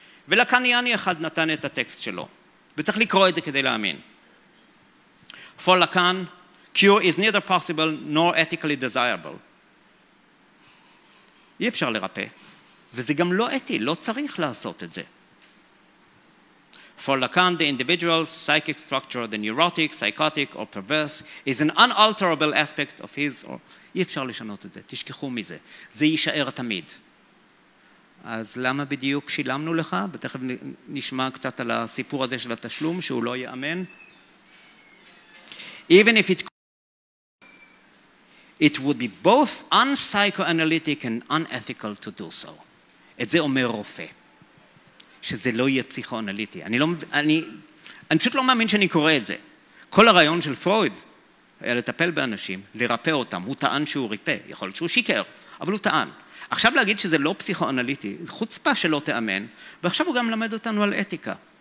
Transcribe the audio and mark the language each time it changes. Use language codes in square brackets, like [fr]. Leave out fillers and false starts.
[he] ולקניאני אחד נתן את הטקסט שלו, וצריך לקרוא את זה כדי להאמין. [en] For Lacan, cure is neither possible nor ethically desirable. [he] אי אפשר לרפא, וזה גם לא אתי, לא צריך לעשות את זה. [en] For Lacan, the individual's psychic structure, the neurotic, psychotic, or perverse, is an unalterable aspect of his or... [he] אי אפשר לשנות את זה, תשכחו מזה. זה יישאר תמיד. אז למה בדיוק שילמנו לך? ותכף נשמע קצת על הסיפור הזה של התשלום, שהוא לא יאמן. [en] Even if it would be both unpsychoanalytic and unethical to do so. [he] את זה אומר רופא. שזה לא יהיה פסיכואנליטי. אני פשוט לא מאמין שאני קורא את זה. כל הרעיון של פרויד היה לטפל באנשים, לרפא אותם. הוא טען שהוא ריפא. יכול להיות שהוא שיקר, אבל הוא טען. עכשיו להגיד שזה לא פסיכואנליטי, זה חוצפה שלא תאמן, ועכשיו הוא גם למד אותנו על אתיקה.